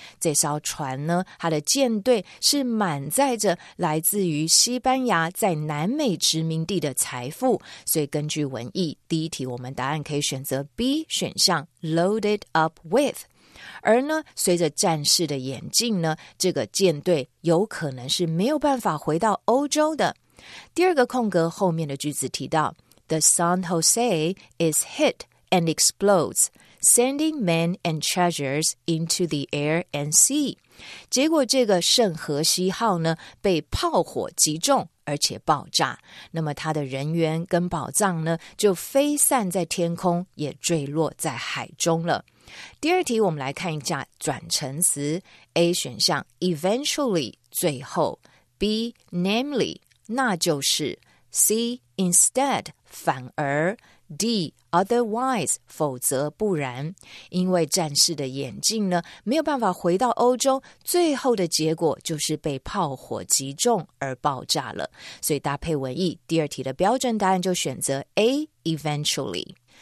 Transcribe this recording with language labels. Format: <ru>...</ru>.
<zh>这艘船呢，它的舰队是满载着来自于西班牙在南美殖民地的财富。所以根据文意，第一题我们答案可以选择 B 选项</zh> <en>loaded up with。</en> <zh>而呢，随着战事的演进呢，这个舰队有可能是没有办法回到欧洲的。第二个空格后面的句子提到</zh> <en>,The San Jose is hit and explodes, sending men and treasures into the air and sea.</en> <zh>结果这个圣何西号呢，被炮火击中而且爆炸，那么他的人员跟宝藏呢，就飞散在天空，也坠落在海中了。第二题我们来看一下转成词 A 选项 eventually 最后 B namely 那就是 C instead 反而 D otherwise 否则不然因为战事的演进呢没有办法回到欧洲最后的结果就是被炮火击中而爆炸了所以搭配文意第二题的标准答案就选择 A eventually</zh>